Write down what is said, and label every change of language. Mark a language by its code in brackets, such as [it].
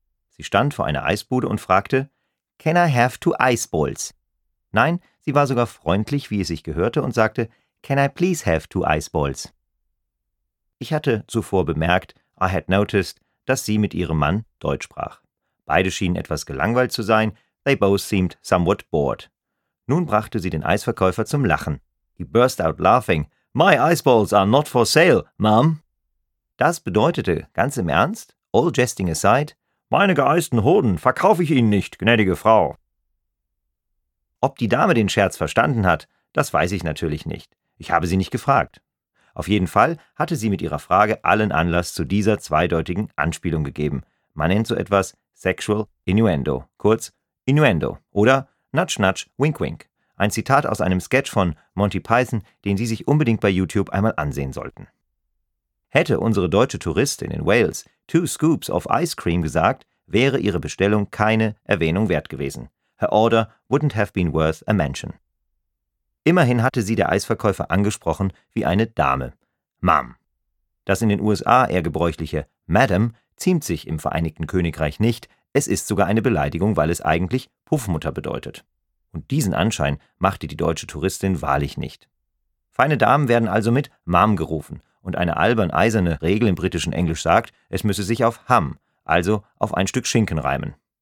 [de] Sie stand vor einer Eisbude und fragte, » [en] Can I have two ice balls?« [de] Nein, sie war sogar freundlich, wie es sich gehörte, und sagte, » [en] Can I please have two ice balls?« [de] Ich hatte zuvor bemerkt, » [en] I had noticed«, [de] dass sie mit ihrem Mann Deutsch sprach. Beide schienen etwas gelangweilt zu sein. [en] They both seemed somewhat bored. [de] Nun brachte sie den Eisverkäufer zum Lachen. [en] He burst out laughing. My ice balls are not for sale, Mom. [de] Das bedeutete, ganz im Ernst, [en] all jesting aside, [de] meine geeisten Hoden verkaufe ich Ihnen nicht, gnädige Frau. Ob die Dame den Scherz verstanden hat, das weiß ich natürlich nicht. Ich habe sie nicht gefragt. Auf jeden Fall hatte sie mit ihrer Frage allen Anlass zu dieser zweideutigen Anspielung gegeben. Man nennt so etwas Sexual Innuendo, kurz Innuendo oder Nudge Nudge Wink Wink. Ein Zitat aus einem Sketch von Monty Python, den Sie sich unbedingt bei YouTube einmal ansehen sollten. Hätte unsere deutsche Touristin in Wales [en] two scoops of ice cream [de] gesagt, wäre ihre Bestellung keine Erwähnung wert gewesen. [en] Her order wouldn't have been worth a mention. [de] Immerhin hatte sie der Eisverkäufer angesprochen wie eine Dame. Ma'am. Das in den USA eher gebräuchliche Madam ziemt sich im Vereinigten Königreich nicht, es ist sogar eine Beleidigung, weil es eigentlich Puffmutter bedeutet. Und diesen Anschein machte die deutsche Touristin wahrlich nicht. Feine Damen werden also mit Ma'am gerufen und eine albern eiserne Regel im britischen Englisch sagt, es müsse sich auf Ham, also auf ein Stück Schinken reimen.